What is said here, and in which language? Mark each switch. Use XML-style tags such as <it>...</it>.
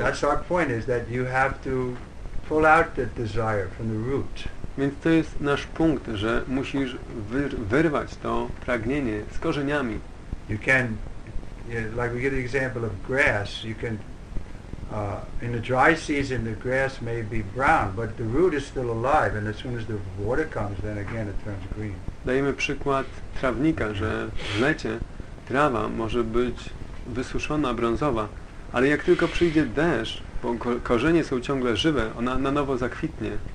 <en>That's our point, is that you have to pull out the desire from the root.</en> <pl>Więc to jest nasz punkt, że musisz wyrwać to pragnienie z korzeniami.</pl> <en>You can, like we give the example of grass, you can, in the dry season the grass may be brown, but the root is still alive, and as soon as the water comes, then again it turns green.</en> <pl>Dajemy przykład trawnika, że w lecie trawa może być wysuszona, brązowa, ale jak tylko przyjdzie deszcz, bo korzenie są ciągle żywe, ona na nowo zakwitnie.</pl>